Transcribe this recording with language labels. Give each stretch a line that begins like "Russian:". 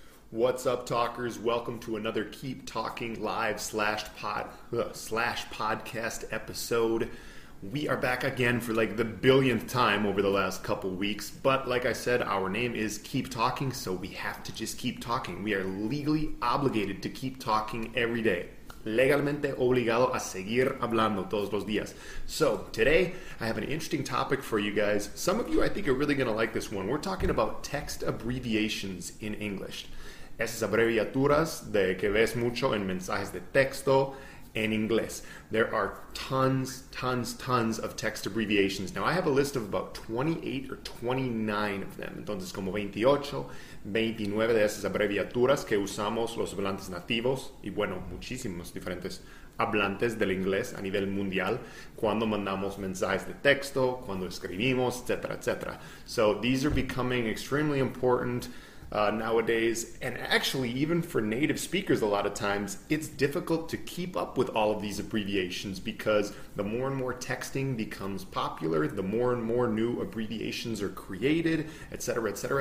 English: What's up, talkers? Welcome to another Keep Talking Live /podcast episode. We are back again for like the billionth time over the last couple weeks. But like I said, our name is Keep Talking, so we have to just keep talking. We are legally obligated to keep talking every day.
Spanish: Legalmente obligado a seguir hablando todos los días.
English: So today, I have an interesting topic for you guys. Some of you, I think, are really going to like this one. We're talking about text abbreviations in English.
Spanish: Esas abreviaturas de que ves mucho en mensajes de texto.
English: In English, there are tons of text abbreviations. Now, I have a list of about 28 or 29 of them.
Spanish: Entonces, como 28, 29 de esas abreviaturas que usamos los hablantes nativos, y bueno, muchísimos diferentes hablantes del inglés a nivel mundial, cuando mandamos mensajes de texto, cuando escribimos, etc., etc.
English: So, these are becoming extremely important nowadays, and actually even for native speakers a lot of times it's difficult to keep up with all of these abbreviations, because the more and more texting becomes popular, the more and more new abbreviations are created, etc., etc.